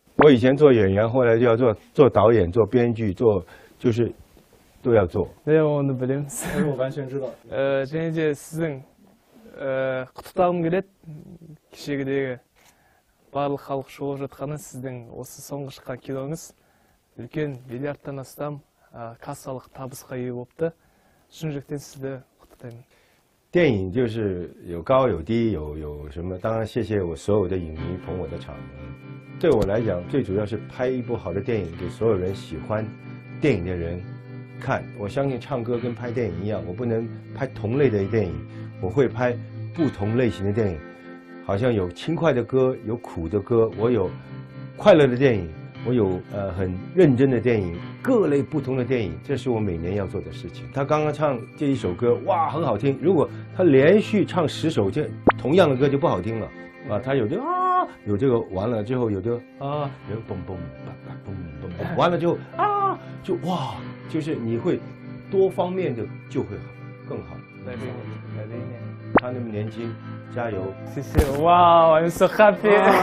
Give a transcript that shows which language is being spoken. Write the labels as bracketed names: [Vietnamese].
[Chinese] 我以前做演员，后来就要做导演、做编剧、做就是都要做。那我们不认识。我完全知道。现在是人，他当个的，是个这个，把好说说他们是人，我是送个是卡基隆斯。 [Kazakh] Үлкен миллиардтан астам кассалық табысқа ие болды. Шын жүректен сізді құттықтаймын. [Chinese] 电影就是有高有低，有什么？当然，谢谢我所有的影迷捧我的场。对我来讲，最主要是拍一部好的电影给所有人喜欢电影的人看。我相信唱歌跟拍电影一样，我不能拍同类的电影，我会拍不同类型的电影。好像有轻快的歌，有苦的歌，我有快乐的电影。我有很认真的电影，各类不同的电影，这是我每年要做的事情。他刚刚唱这一首歌，哇，很好听。如果他连续唱十首这同样的歌就不好听了，啊，他有的啊，有这个完了之后有的啊，有嘣嘣嘣嘣嘣嘣，完了之后啊，就哇，就是你会多方面的就会好更好。再练一遍。他那么年轻，加油！谢谢，哇 ， [English] I'm so happy。